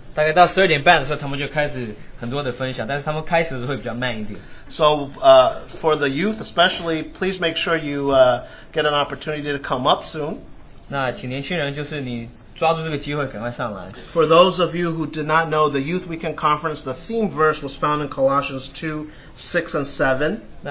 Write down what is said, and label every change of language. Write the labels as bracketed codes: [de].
[zh] 大概到12点半的时候,他们就开始很多的分享,但是他们开始会比较慢一点。 [en] So, for the youth especially, please make sure you get an opportunity to come up soon. [zh] 那请年轻人就是你抓住这个机会赶快上来。 [en] For those of you who did not know, the Youth Weekend Conference, the theme verse was found in Colossians 2, 6 and 7.